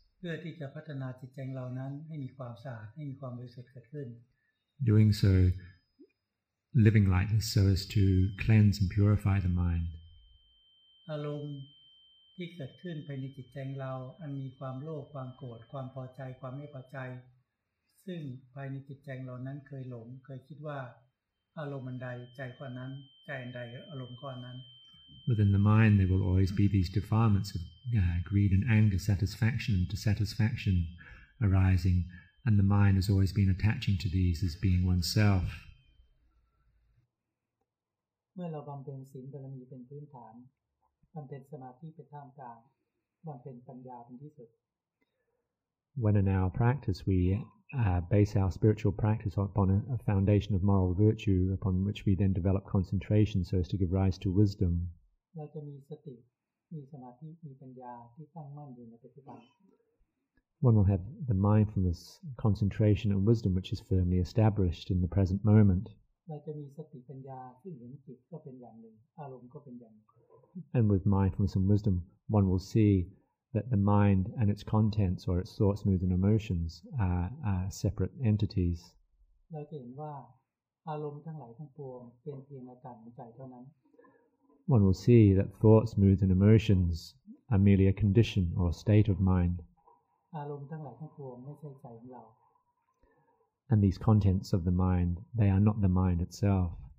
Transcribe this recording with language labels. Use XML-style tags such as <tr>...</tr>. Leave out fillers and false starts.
<th>เพื่อที่จะพัฒนาจิตใจเรานั้นให้มีความสะอาดให้มีความบริสุทธิ์เกิดขึ้น</th> <en>Doing so. Living like this so as to cleanse and purify the mind.</en> <th>อารมณ์ที่เกิดขึ้นภายในจิตใจเราอันมีความโลภความโกรธความพอใจความไม่พอใจซึ่งภายในจิตใจเรานั้นเคยหลงเคยคิดว่าอารมณ์ใดใจก้อนนั้นใจใดอารมณ์ก้อนนั้น</th> <en>Within the mind there will always be these defilements of greed and anger, satisfaction and dissatisfaction arising, and the mind has always been attaching to these as being oneself.</en> <th>เมื่อเราบำเพ็ญศีลบารมีเป็นพื้นฐานบำเพ็ญสมาธิเป็นท่ามกลางบำเพ็ญปัญญาเป็นที่สุด</th> <en>When in our practice we base our spiritual practice upon a foundation of moral virtue upon which we then develop concentration so as to give rise to wisdom</en> <th>เราจะมีสติมีสมาธิมีปัญญาที่ตั้งมั่นอยู่ในปัจจุบัน</th> <en>One will have the mindfulness, concentration and wisdom which is firmly established in the present moment</en> <th>เราจะมีสติปัญญาซึ่งเห็นจิตก็เป็นอย่างหนึ่งอารมณ์ก็เป็นอย่างหนึ่ง</th> <en>And with mindfulness and wisdom, one will see that the mind and its contents or its thoughts, moods, and emotions are separate entities.</en> <th>เราจะเห็นว่าอารมณ์ทั้งหลายทั้งปวงเป็นเพียงอาการของใจเท่านั้น</th> <en>One will see that thoughts, moods, and emotions are merely a condition or state of mind.</en> <th>อารมณ์ทั้งหลายทั้งปวงไม่ใช่ใจของเรา</th> <en>And these contents of the mind, they are not the mind itself.</en>